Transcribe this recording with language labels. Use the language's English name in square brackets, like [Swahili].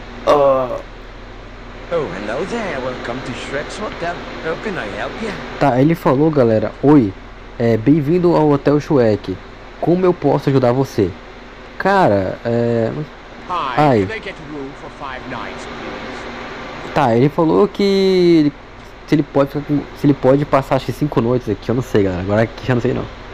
[English] Oh, hello there, welcome to Shrek's Hotel. How can I help you? [Portuguese] Tá, ele falou, galera, oi, bem-vindo ao Hotel Shrek. Como eu posso ajudar você? Cara, [English] Hi, ai. Can I get a room for 5 nights, please? [Portuguese] Tá, ele falou que se ele pode passar acho que 5 noites aqui, eu não sei, galera. Agora aqui eu não sei não.